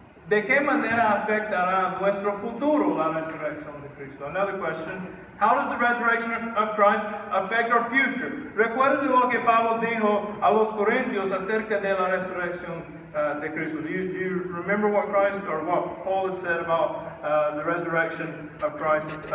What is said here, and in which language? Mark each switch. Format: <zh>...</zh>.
<es>¿De qué manera afectará nuestro futuro la resurrección de Cristo?</es> <en>Another question. How does the resurrection of Christ affect our future?</en> <es>Recuerden lo que Pablo dijo a los Corintios acerca de la resurrección de Cristo.</es> <en>Do you remember what Christ or what Paul had said about the resurrection of Christ?</en>